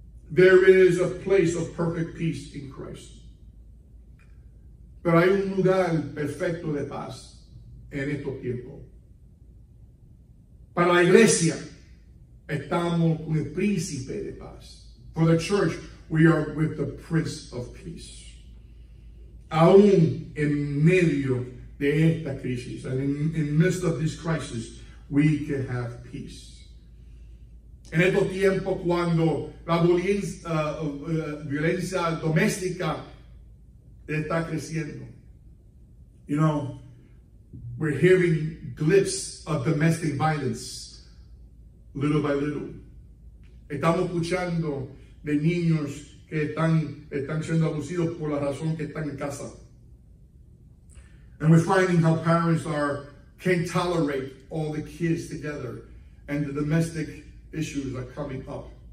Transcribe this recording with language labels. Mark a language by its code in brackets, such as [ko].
[en] There is a place of perfect peace in Christ. [es] Pero hay un lugar perfecto de paz en estos tiempos. Para la iglesia, Estamos con el príncipe de paz. [en] For the church, we are with the Prince of Peace. [es] Aún en medio de esta crisis, [en] and in the midst of this crisis, we can have peace. [es] En estos tiempos cuando la violencia doméstica está creciendo. [en] You know, we're hearing glimpses of domestic violence little by little. [es] Estamos escuchando de niños que están siendo abusados por la razón que están en casa. [en] And we're finding how parents can't tolerate all the kids together and the domestic issues are coming up.